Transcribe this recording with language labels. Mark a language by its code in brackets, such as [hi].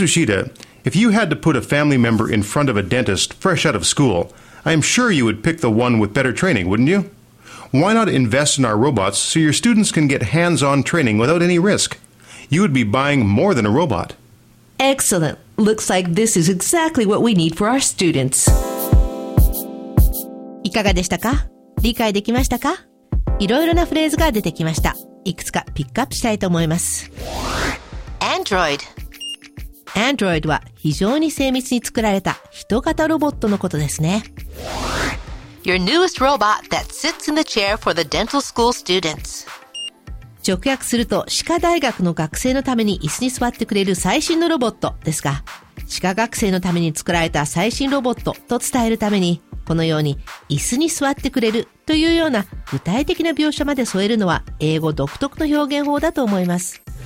[en] Ushida, if you had to put a family member in front of a dentist fresh out of school, I am sure you would pick the one with better training, wouldn't you? Why not invest in our robots so your students can get hands-on training without any risk? You would be buying more than a robot. Excellent. Looks like this is exactly what we need for our students. [ja] いかがでしたか？理解できましたか？いろいろなフレーズが出てきました。いくつかピックアップしたいと思います。 [en] Android. [ja] Android は非常に精密に作られた人型ロボットのことですね。 [en] Your newest robot that sits in the chair for the dental school students. [ja] 直訳すると、歯科大学の学生のために椅子に座ってくれる最新のロボットですが、歯科学生のために作られた最新ロボットと伝えるために、このように椅子に座ってくれるというような具体的な描写まで添えるのは英語独特の表現法だと思います。